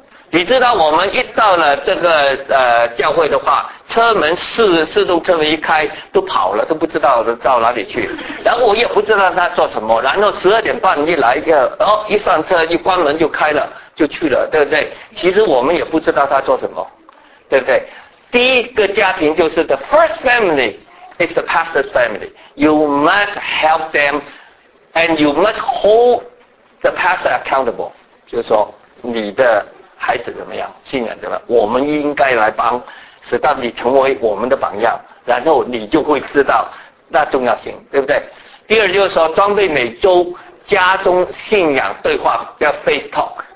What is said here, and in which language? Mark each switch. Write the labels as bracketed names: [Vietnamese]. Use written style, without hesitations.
[Chinese] 你知道我们一到了这个教会的话，车门自动车门一开都跑了，都不知道到哪里去。然后我也不知道他做什么。然后12:30一来一个，一上车一关门就开了。就去了，对不对？其实我们也不知道他做什么，对不对？第一个家庭就是 [English] the first family is the pastor's family. You must help them and you must hold the pastor accountable. [Chinese] 就是说你的孩子怎么样，信仰怎么样，我们应该来帮，使到你成为我们的榜样，然后你就会知道那重要性，对不对？第二就是说装备每周家中信仰对话，叫 faith talk。